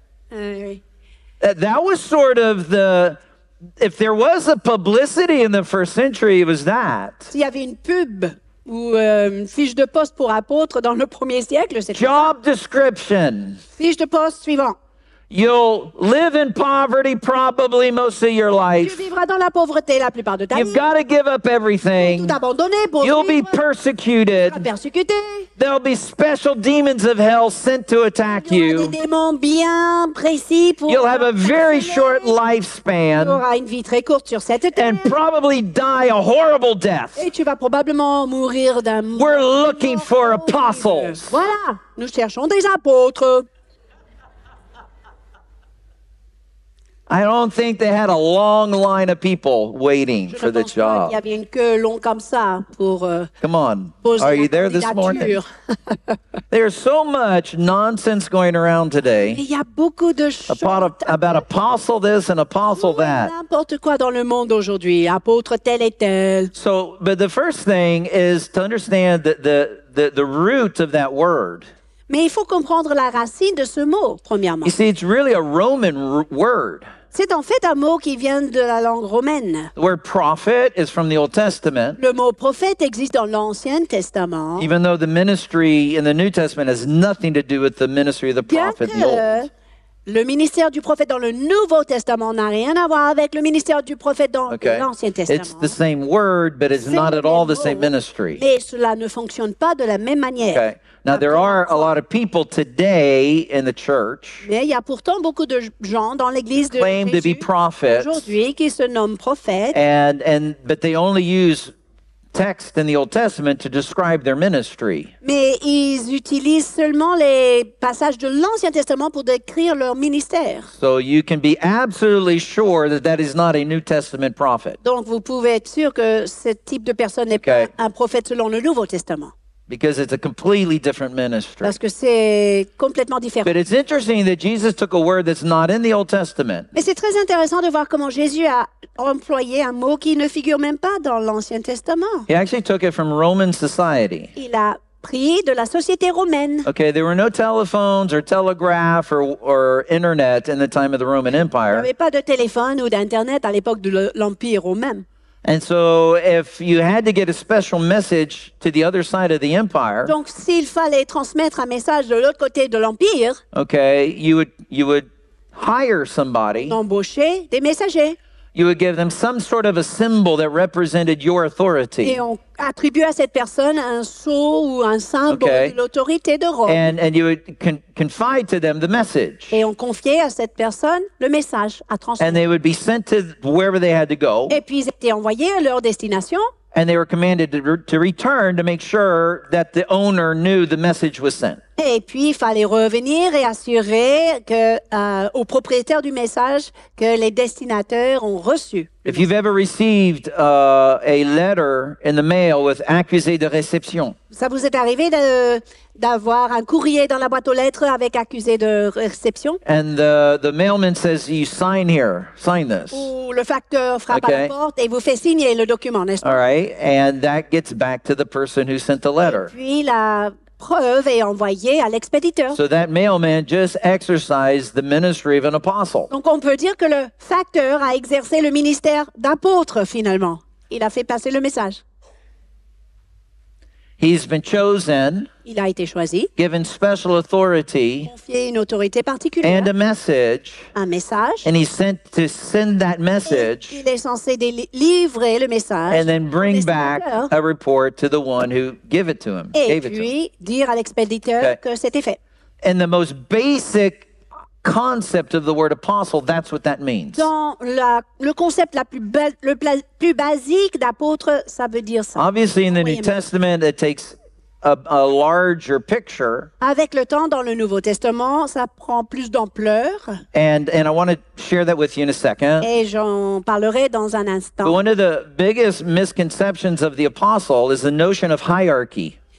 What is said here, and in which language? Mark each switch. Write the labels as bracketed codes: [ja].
[en] That was sort of the, if there was a publicity in the first century, it was that. [fr] S'il y avait une pub ou fiche de poste pour apôtre dans le premier siècle, c'était [en] Job description. [fr] Fiche de poste suivant. [en] You'll live in poverty probably most of your life. [fr] Tu vivras dans la pauvreté la plupart de ta vie. [en] You've got to give up everything. [fr] Tout abandonner pour [en] You'll [fr] vivre. [en] Be persecuted. [fr] Tu seras persécuté. [en] There'll be special demons of hell sent to attack you. [fr] Il y aura des démons bien précis pour [en] You'll have a very short lifespan. [fr] Tu auras une vie très courte sur cette terre. [en] And probably die a horrible death. [fr] Et tu vas probablement mourir d'un mort. [en] We're looking for apostles. [fr] Voilà, nous cherchons des apôtres. [en] I don't think they had a long line of people waiting for the job. [fr] Il y avait une queue longue comme ça pour [en] Come on. Are you there this morning? There's so much nonsense going around today. [fr] Il y a beaucoup de [en] about apostle this and apostle that. [fr] N'importe quoi dans le monde aujourd'hui, apôtre tel et tel. [en] So, but the first thing is to understand the root of that word. [fr] Mais il faut comprendre la racine de ce mot, premièrement. [en] You see, it's really a Roman word. [fr] C'est en fait un mot qui vient de la langue romaine. [en] The word prophet is from the Old Testament. [fr] Le mot prophète existe dans l'Ancien Testament. [en] Even though the ministry in the New Testament has nothing to do with the ministry of the prophet in the Old. [fr] Le ministère du prophète dans le Nouveau Testament n'a rien à voir avec le ministère du prophète dans l'Ancien Testament. [en] It's the same word, but it's not at all the same ministry. [fr] Mais cela ne fonctionne pas de la même manière. Okay. [en] Now there are a lot of people today in the church. [fr] Mais il y a pourtant beaucoup de gens dans l'église de [en] claim to be prophets. [fr] Aujourd'hui, qui se nomment prophètes. [en] But they only use text in the Old Testament to describe their ministry. [fr] Mais ils utilisent seulement les passages de l'Ancien Testament pour décrire leur ministère. [en] So you can be absolutely sure that that is not a New Testament prophet. [fr] Donc vous pouvez être sûr que ce type de personne n'est pas un prophète selon le Nouveau Testament. [en] Because it's a completely different ministry. [fr] Parce que c'est complètement différent. [en] But it's interesting that Jesus took a word that's not in the Old Testament. [fr] Mais c'est très intéressant de voir comment Jésus a employé un mot qui ne figure même pas dans l'Ancien Testament. [en] He actually took it from Roman society. [fr] Il a pris de la société romaine. [en] Okay, there were no telephones or telegraph or internet in the time of the Roman Empire. [fr] Il n'y avait pas de téléphone ou d'internet à l'époque de l'Empire romain. [en] And so if you had to get a special message to the other side of the empire, [fr] donc s'il fallait transmettre un message de l'autre côté de l'empire, [en] okay, you would hire somebody, [fr] embaucher des messagers. [en] You would give them some sort of a symbol that represented your authority. [fr] Et on attribue à cette personne un sceau ou un symbole de l'autorité de Rome. [en] And you would confide to them the message. [fr] Et on confiait à cette personne le message à transmettre. [en] And they would be sent to wherever they had to go. [fr] Et puis ils étaient envoyés à leur destination. [en] And they were commanded to return to make sure that the owner knew the message was sent. [fr] Et puis, il fallait revenir et assurer au propriétaire du message que les destinataires ont reçu. [en] If you've ever received a letter in the mail with [fr] accusé de réception. Ça vous est arrivé d'avoir un courrier dans la boîte aux lettres avec accusé de réception? [en] And the mailman says, you sign here, sign this. [fr] Ou le facteur frappe à la porte et vous fait signer le document, n'est-ce pas? [en] All right, and that gets back to the person who sent the letter. [fr] Et puis, la preuve est envoyée à l'expéditeur. [en] So that mailman just exercised the ministry of an apostle. [fr] Donc on peut dire que le facteur a exercé le ministère d'apôtre finalement. Il a fait passer le message. [en] He's been chosen. [fr] Il a été choisi. [en] Given special authority. [fr] Confié une autorité particulière. [en] And a message. [fr] Un message. [en] And he's sent to send that message. [fr] Il est censé livrer le message. [en] And then bring back a report to the one who gave it to him. [fr] Dire à l'expéditeur que c'était fait. [en] And the most basic concept of the word apostle, that's what that means. [fr] Dans le concept plus basique d'apôtre, ça veut dire ça. [en] Obviously, in the New Testament, it takes a larger picture. [fr] Avec le temps, dans le Nouveau Testament, ça prend plus d'ampleur. [en] And I want to share that with you in a second. [fr] Et j'en parlerai dans un instant. [en] But one of the biggest misconceptions of the apostle is the notion of hierarchy.